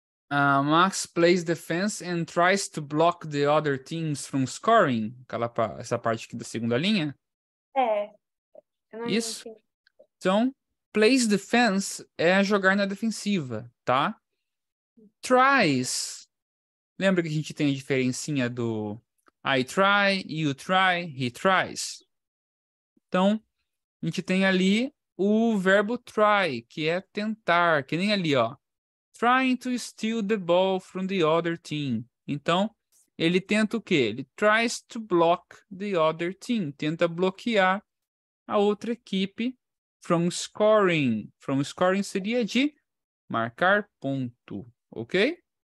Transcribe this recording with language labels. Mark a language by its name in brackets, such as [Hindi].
[English] Max plays defense and tries to block the other teams from scoring. [Portuguese] Aquela, essa parte aqui da segunda linha. É. Isso. Então, [English] plays defense [Portuguese] é jogar na defensiva, tá? Tries. Lembra que a gente tem a diferencinha do [English] I try, you try, he tries. [Portuguese] Então, a gente tem ali o verbo try, que é tentar, que nem ali, ó. [English] Trying to steal the ball from the other team. [Portuguese] Então, ele tenta o quê? Ele [English] tries to block the other team. [Portuguese] Tenta bloquear a outra equipe. [English] From scoring. From scoring [Portuguese] seria de marcar ponto, ok?